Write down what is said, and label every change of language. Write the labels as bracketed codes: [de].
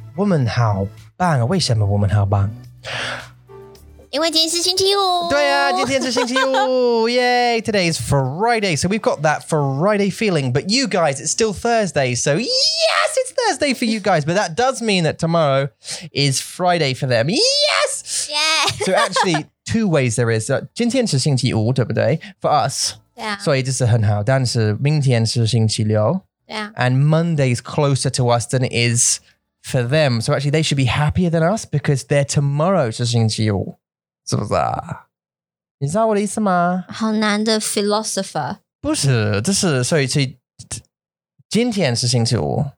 [zh] 我们好棒啊！为什么我们好棒？因为今天是星期五。对啊，今天是星期五，yay! [en] Today is Friday, so we've got that Friday feeling. But you guys, it's still Thursday, so yes, it's Thursday for you guys. But that does mean that tomorrow is Friday for them. Yes, yeah. So actually, two ways there is. [zh] 今天是星期五，对不对 [en] ？For us, yeah. [zh] 所以这是很好。但是明天是星期六， [en] yeah. And Monday is closer to us than it is. For them. So actually, they should be happier than us because they're tomorrow. [zh] 是星期五是不是啊你知道我的意思吗好难的 philosopher. 不是这是所以今天是星期五。